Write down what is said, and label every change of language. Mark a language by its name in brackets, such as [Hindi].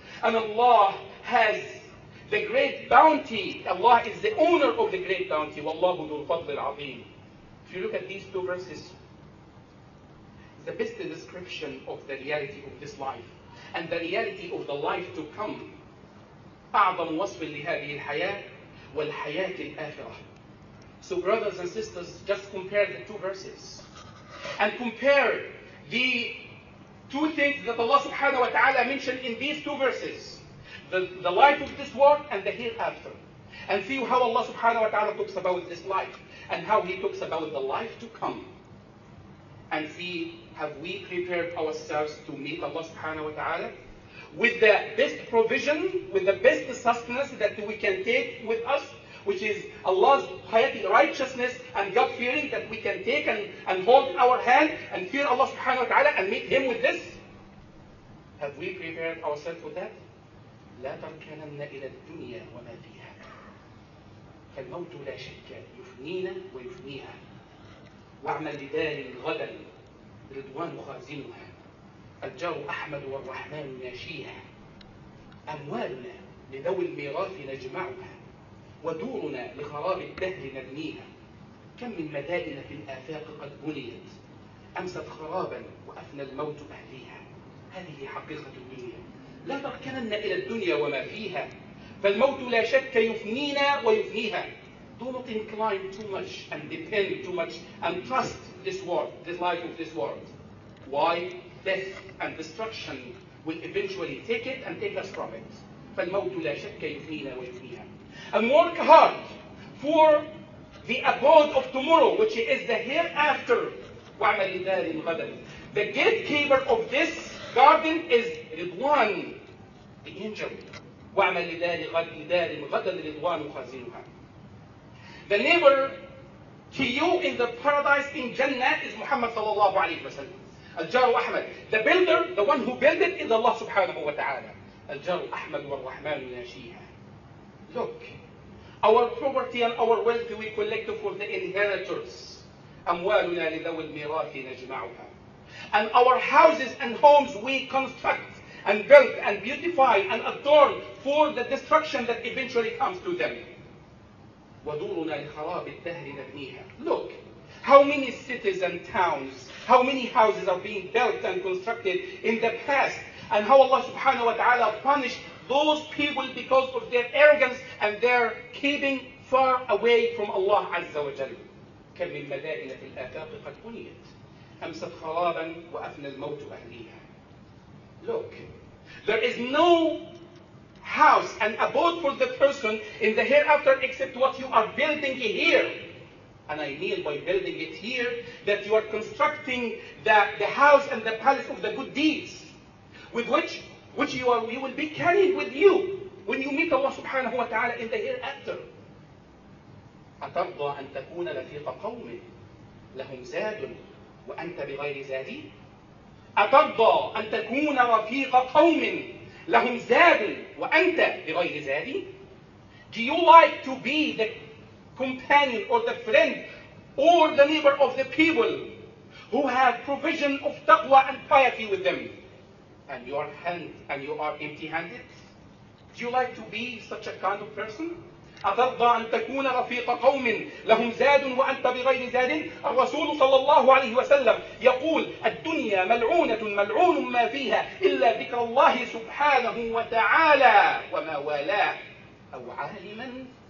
[English] And Allah has the great bounty. Allah is the owner of the great bounty. [Arabic] وَاللَّهُ ذُو الْفَضْلِ الْعَظِيمِ. [English] If you look at these two verses, the best description of the reality of this life and the reality of the life to come. [Arabic] أعظم وصف لهذه الحياة والحياة الآخرة. [English] So brothers and sisters, just compare the two verses and compare the two things that Allah subhanahu wa ta'ala mentioned in these two verses. The life of this world and the hereafter. And see how Allah subhanahu wa ta'ala talks about this life and how He talks about the life to come. And see, have we prepared ourselves to meet Allah subhanahu wa ta'ala with the best provision, with the best sustenance that we can take with us, which is Allah's righteousness and God-fearing that we can take and hold our hand and fear Allah subhanahu wa ta'ala and meet Him with this? Have we prepared ourselves for that? [Arabic] لا تركننا إلى الدنيا وما فيها. فالموت لا شك يفنينا ويفنيها. وعمل لدار غدا رضوان خازنها. الجار أحمد والرحمن ناشيها. أموالنا لذوي الميراث نجمعها. ودورنا لخراب الدهر نبنيها. كم من مدائن في الآفاق قد بنيت. أمست خرابا وأفنى الموت أهليها. هذه حقيقة الدنيا. لا تركننا إلى الدنيا وما فيها. فالموت لا شك يفنينا ويفنيها. [English] Do not incline too much and depend too much and trust this world, this life of this world. Why? Death and destruction will eventually take it and take us from it. [Arabic] فالموت لا شك يفنينا ويفنيها. [English] And work hard for the abode of tomorrow, which is the hereafter. [Arabic] وعمل لدار غدا. [English] The gatekeeper of this garden is Ridwan, [Arabic] انجب واعمل لدار غد دار غدا رضوان خزينها. [English] The neighbor to you in the paradise in Jannah is Muhammad sallallahu alayhi wa sallam. [Arabic] الجار أحمد. [English] The builder, the one who built it, is Allah subhanahu wa ta'ala. [Arabic] الجار أحمد والرحمن ناشيها. [English] Look, our property and our wealth we collect for the inheritors. [Arabic] أموالنا لذوي الميراث نجمعها. [English] And our houses and homes we construct and build and beautify and adorn for the destruction that eventually comes to them. [Arabic] ودورنا لخراب الدهر نبنيها. [English] Look, how many cities and towns, how many houses are being built and constructed in the past, and how Allah subhanahu wa ta'ala punished those people because of their arrogance and their keeping far away from Allah azza wa jalla. [Arabic] كم من مدائن في الآفاق قد بنيت أمست خرابا وأفنى الموت أهليها. [English] Look, there is no house and abode for the person in the hereafter except what you are building here. And I mean by building it here that you are constructing the house and the palace of the good deeds with which you will be carrying with you when you meet Allah subhanahu wa ta'ala in the hereafter. [Arabic] أَتَرْضَى أَن تَكُونَ رَفِيقَ قَوْمٍ لَهُمْ زَادٌ وَأَنْتَ بِغَيْرِ زَادٍ أَتَرْضَى أَن تَكُونَ رَفِيقَ قَوْمٍ لَهُمْ زَادٌ وَأَنْتَ بِغَيْرِ زَادٍ. [English] Do you like to be the companion or the friend or the neighbor of the people who have provision of taqwa and piety with them and your hand and you are empty handed? Do you like to be such a kind of person? [Arabic] أَتَرْضَى أَن تَكُونَ رَفِيقَ قَوْمٍ لَهُمْ زَادٌ وَأَنْتَ بِغَيْرِ زَادٍ. الرسول صلى الله عليه وسلم يقول الدنيا ملعونة ملعون ما فيها إلا ذكر الله سبحانه وتعالى وما والاه أو عالما.